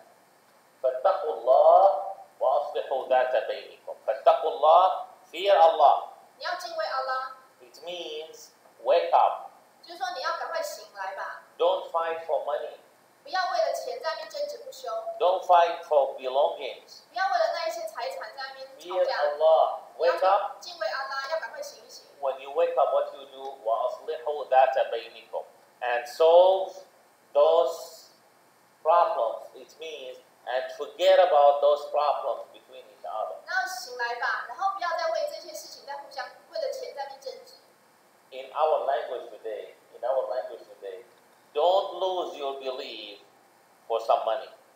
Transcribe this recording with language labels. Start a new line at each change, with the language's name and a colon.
Chinese: 就是说你原先这一切的战利品是属于阿拉，也是他又属于我，就是乌罕沃德的。不要为了钱在那边争执不休。不要为了那一些财产在那边吵架。不要敬畏阿拉，要赶快醒一醒。
English: When you wake up, what you do,
Arabic: وَأَصْلِحُوا ذَاتَ بَيْنِكُمْ
English: and solve those problems, it means, and forget about those problems between each other.
Chinese: 那醒来吧，然后不要再为这些事情在互相，为了钱在那边争执。
English: In our language today, don't lose your belief for some money.